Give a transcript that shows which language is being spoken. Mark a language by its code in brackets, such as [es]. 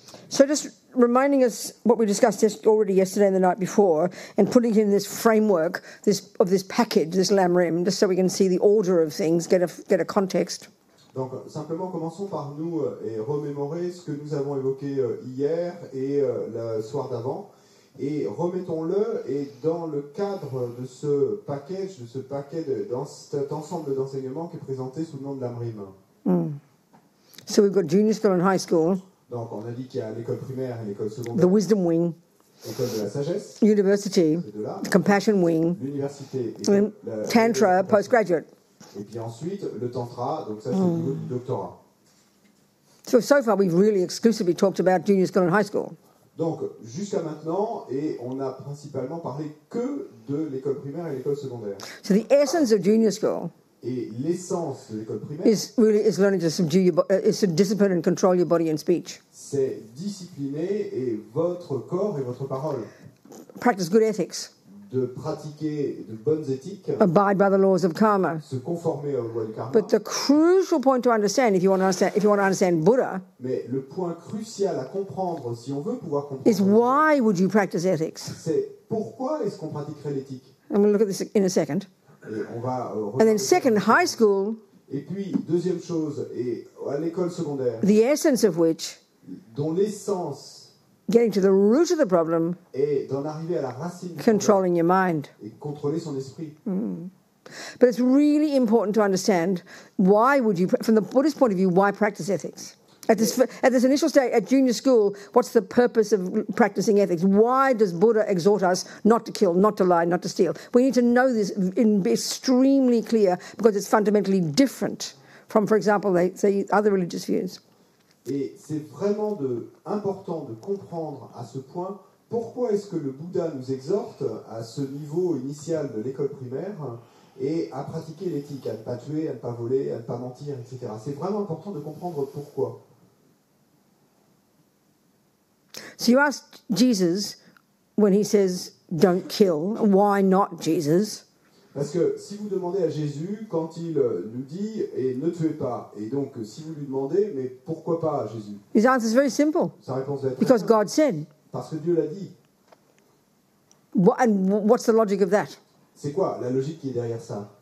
[en] So just reminding us what we discussed already yesterday and the night before, and putting it in this framework, this of this package, this lamrim, just so we can see the order of things, get a context. [fr] Donc simplement commençons par nous et remémorer ce que nous avons évoqué hier et le soir d'avant, et remettons-le et dans le cadre de ce package, de ce paquet de dans cet ensemble d'enseignements qui est présenté sous le nom de lamrim. [en] So we've got junior school and high school. [fr] Donc, on a dit qu'il y a l'école primaire et l'école secondaire. [en] The wisdom wing. [fr] L'école de la sagesse. [en] University. The compassion wing. [fr] L'université. [en] Tantra, postgraduate. [fr] Et puis ensuite, le tantra. Donc, ça, c'est au niveau du doctorat. [en] So far, we've really exclusively talked about junior school and high school. [fr] Donc, jusqu'à maintenant, et on a principalement parlé que de l'école primaire et l'école secondaire. [en] So the essence of junior school. [fr] Et l'essence de l'école primaire. [en] Is learning to subdue your body, is to discipline and control your body and speech. [fr] C'est discipliner et votre corps et votre parole. [en] Practice good ethics. [fr] De pratiquer de bonnes éthiques. [en] Abide by the laws of karma. [fr] Se conformer aux lois du karma. [en] But the crucial point to understand, if you want to understand, if you want to understand Buddha. [fr] Mais le point crucial à comprendre, si on veut pouvoir comprendre. [en] Is why would you practice ethics? [fr] C'est pourquoi est-ce qu'on pratiquerait l'éthique? [en] I'm going to look at this in a second. And then second, high school. [fr] Et puis deuxième chose, et à l'école secondaire. [en] The essence of which. [fr] Dont l'essence. [en] Getting to the root of the problem. [fr] Et d'en arriver à la racine. [en] Controlling your mind. [fr] Et contrôler son esprit. Mm. [en] But it's really important to understand why would you, from the Buddhist point of view, why practice ethics? At this initial stage, at junior school, what's the purpose of practicing ethics? Why does Buddha exhort us not to kill, not to lie, not to steal? We need to know this in extremely clear because it's fundamentally different from, for example, say other religious views. [fr] Et c'est vraiment important de comprendre à ce point pourquoi est-ce que le Bouddha nous exhorte à ce niveau initial de l'école primaire et à pratiquer l'éthique, à ne pas tuer, à ne pas voler, à ne pas mentir, etc. C'est vraiment important de comprendre pourquoi. [en] So you ask Jesus when he says don't kill, why not Jesus? [fr] Parce que si vous demandez à Jésus quand il nous dit et ne tuez pas, et donc si vous lui demandez mais pourquoi pas Jésus? [en] His answer is very simple. [fr] Sa réponse est très [en] Because [fr] simple. [en] God said. [fr] Parce que Dieu l'a dit. [en] And what's the logic of that? [fr] C'est quoi la logique qui est derrière ça?